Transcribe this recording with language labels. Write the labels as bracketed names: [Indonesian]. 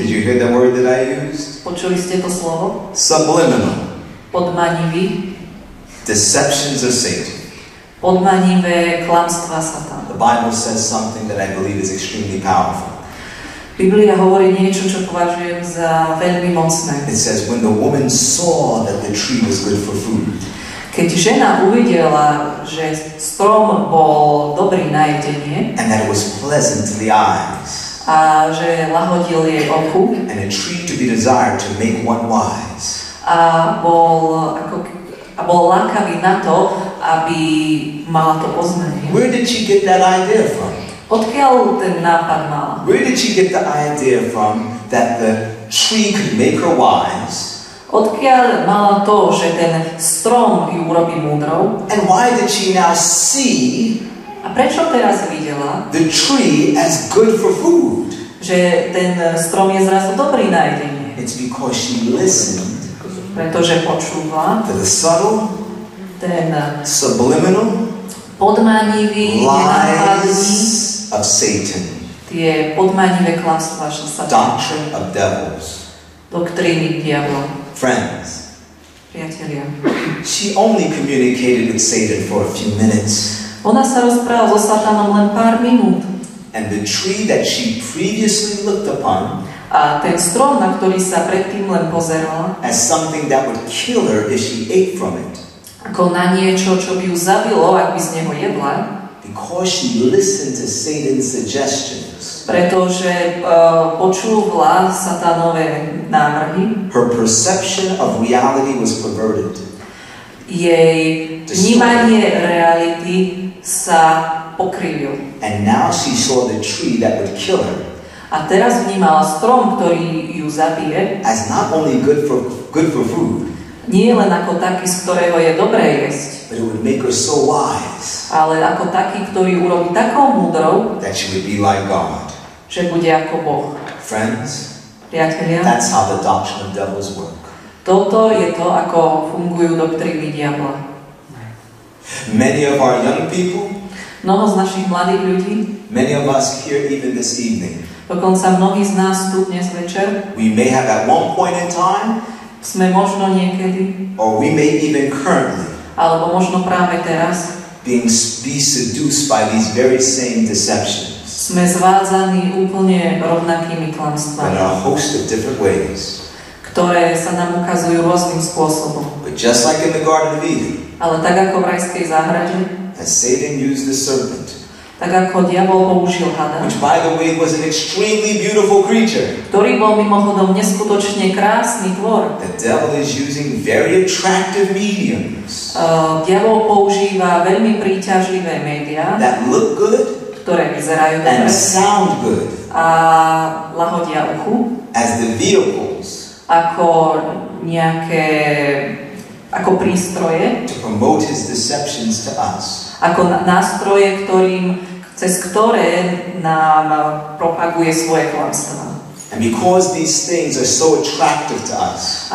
[English] Did you hear that word that I used? [Slovak] Počuli ste to slovo? [English] Subliminal. [Slovak] Podmanivý. [English] Deceptions of Satan. [Slovak] Podmanivé klamstvá Satana. [English] The Bible says something that I believe is extremely powerful. [Slovak] Biblia hovorí niečo, čo považujem za veľmi mocné. [English] It says, when the woman saw that the tree was good for food. [Slovak] Keď žena uvidela, že strom bol dobrý na jedenie. [English] And that it was pleasant to the eyes. [Slovak] A že lahodil jej oku. [English] And a tree to be desired to make one wise. [Slovak] A bol ako a bol lákavý na to, aby mala to poznanie. [English] Where did she get that idea from? [Slovak] Odkiaľ ten nápad mala? [English] Where did she get the idea from that the tree could make her wise? [Slovak] Odkiaľ mala to, že ten strom ju urobí múdrou? [English] And why did she now see? [Slovak] A prečo teraz videla? [English] The tree as good for food. [Slovak] Že ten strom je zrazu dobrý na jedenie. [English] It's because she listened. [Slovak] Pretože počúva [English] the subtle, [Slovak] ten [English] subliminal, [Slovak] podmanivý, [English] lies of Satan, [Slovak] tie podmanivé klamstvá, čo sa [English] doctrine of devils, [Slovak] doktríny diablov. [English] Friends, [Slovak] priatelia, [English] she only communicated with Satan for a few minutes. [Slovak] Ona sa rozprávala so Satanom len pár minút. [English] And the tree that she previously looked upon, [Slovak] a ten strom, na ktorý sa predtým len pozerala, [English] as something that would kill her if she ate from it, [Slovak] ako na niečo, čo by ju zabilo, ak by z neho jedla, [English] because she listened to Satan's suggestions, [Slovak] pretože počúvala Satanove návrhy, [English] her perception of reality was perverted, [Slovak] jej vnímanie reality sa pokrivil, [English] and now she saw the tree that would kill her, [Slovak] a teraz vnímala strom, ktorý ju zabije, [English] as not only good for food, [Slovak] nie len ako taký, z ktorého je dobré jesť, [English] but it would make her so wise, [Slovak] ale ako taký, ktorý urobí takou múdrou, [English] that she would be like God, [Slovak] že bude ako Boh. [English] Friends, [Slovak] priatelia, [English] that's how the doctrine of devils work. [Slovak] Toto je to, ako fungujú doktríny diabla. [English] Many of our young people, [Slovak] mnoho z našich mladých ľudí, [English] many of us here even this evening, [Slovak] dokonca mnohí z nás tu dnes večer, [English] we may have at one point in time, [Slovak] sme možno niekedy, [English] or we may even currently, [Slovak] alebo možno práve teraz, [English] being be seduced by these very same deceptions. [Slovak] Sme zvádzaní úplne rovnakými klamstvami. [English] In a host of different ways. [Slovak] Ktoré sa nám ukazujú rôznym spôsobom. [English] But just like in the Garden of Eden. [Slovak] Ale tak ako v rajskej záhrade. [English] As Satan used the serpent. [Slovak] Tak ako diabol použil hada. [English] Which, by the way, was an extremely beautiful creature. [Slovak] Ktorý bol mimochodom neskutočne krásny tvor. [English] The devil is using very attractive mediums. [Slovak] Diabol používa veľmi príťažlivé médiá. [English] That look good. [Slovak] Ktoré vyzerajú dobre. [English] And sound good. [Slovak] A lahodia uchu. [English] As the vehicles. [Slovak] Ako nejaké, ako prístroje. [English] To promote his deceptions to us. [Slovak] Ako nástroje, ktorým, cez ktoré nám propaguje svoje klamstvá. [English] And because these things are so attractive to us.